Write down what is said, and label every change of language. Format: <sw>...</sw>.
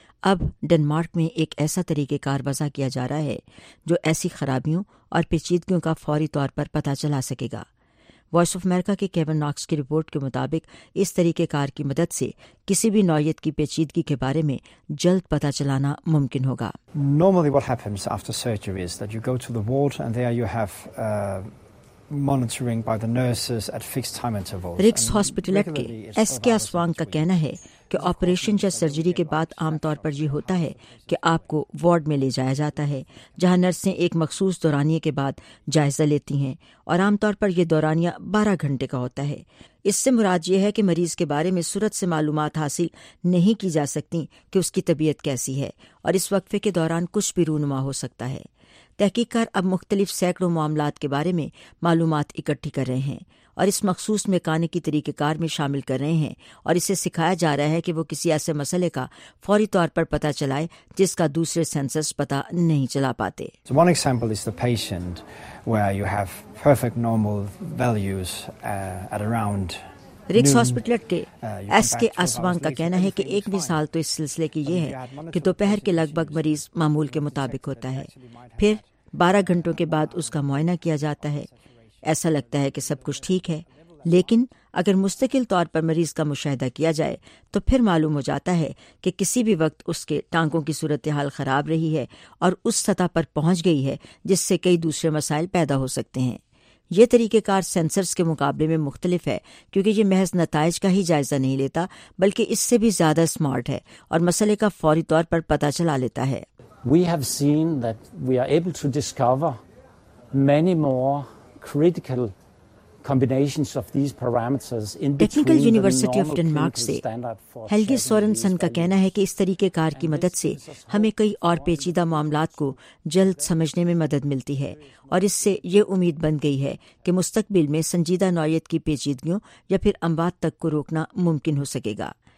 <ur>اب ڈنمارک میں ایک ایسا طریقہ کار وضع کیا جا رہا ہے جو ایسی خرابیوں اور پیچیدگیوں کا فوری طور پر پتہ چلا سکے گا۔ وائس آف امریکہ کے کیون ناکس کی رپورٹ کے مطابق اس طریقہ کار کی مدد سے کسی بھی نوعیت کی پیچیدگی کے بارے میں جلد پتہ چلانا ممکن ہوگا۔</ur> <en>Normally what happens after surgery is that you go to the ward and there you have monitoring by the nurses at fixed time intervals.</en> <ur>رکس hospital کے ایس کے اسوانگ کا کہنا ہے کہ آپریشن یا سرجری کے بعد عام طور پر یہ ہوتا ہے کہ آپ کو وارڈ میں لے جایا جاتا ہے، جہاں نرسیں ایک مخصوص دورانیے کے بعد جائزہ لیتی ہیں، اور عام طور پر یہ دورانیہ 12 گھنٹے کا ہوتا ہے۔ اس سے مراد یہ ہے کہ مریض کے بارے میں صورت سے معلومات حاصل نہیں کی جا سکتی کہ اس کی طبیعت کیسی ہے، اور اس وقفے کے دوران کچھ بھی رونما ہو سکتا ہے۔ تحقیق کار اب مختلف سینکڑوں معاملات کے بارے میں معلومات اکٹھی کر رہے ہیں، اور اس مخصوص میکانک کی طریقہ کار میں شامل کر رہے ہیں، اور اسے سکھایا جا رہا ہے کہ وہ کسی ایسے مسئلے کا فوری طور پر پتہ چلائے جس کا دوسرے سینسرز پتہ نہیں چلا پاتے۔</ur> <en>So one example is the patient where you have perfect normal values at around</en> <ur>رکس hospital کے ایس کے اسوانگ کا کہنا ہے کہ ایک مثال تو اس سلسلے کی یہ ہے کہ دوپہر کے لگ بھگ مریض معمول کے مطابق ہوتا ہے، پھر 12 گھنٹوں کے بعد اس کا معائنہ کیا جاتا ہے، ایسا لگتا ہے کہ سب کچھ ٹھیک ہے، لیکن اگر مستقل طور پر مریض کا مشاہدہ کیا جائے تو پھر معلوم ہو جاتا ہے کہ کسی بھی وقت اس کے ٹانگوں کی صورتحال خراب رہی ہے اور اس سطح پر پہنچ گئی ہے جس سے کئی دوسرے مسائل پیدا ہو سکتے ہیں۔ یہ طریقہ کار سینسرز کے مقابلے میں مختلف ہے کیونکہ یہ محض نتائج کا ہی جائزہ نہیں لیتا بلکہ اس سے بھی زیادہ اسمارٹ ہے اور مسئلے کا فوری طور پر پتہ چلا لیتا ہے۔</ur> <en>We have seen that we are able to discover many more critical combinations of these parameters in between</en> <ur>Technical University of Denmark سے ہیلگی سورنسن کا کہنا ہے کہ اس طریقہ کار کی مدد سے ہمیں کئی اور پیچیدہ معاملات کو جلد سمجھنے میں مدد ملتی ہے، اور اس سے یہ امید بن گئی ہے کہ مستقبل میں سنجیدہ نوعیت کی پیچیدگیوں یا پھر اموات تک کو روکنا ممکن ہو سکے گا۔</ur>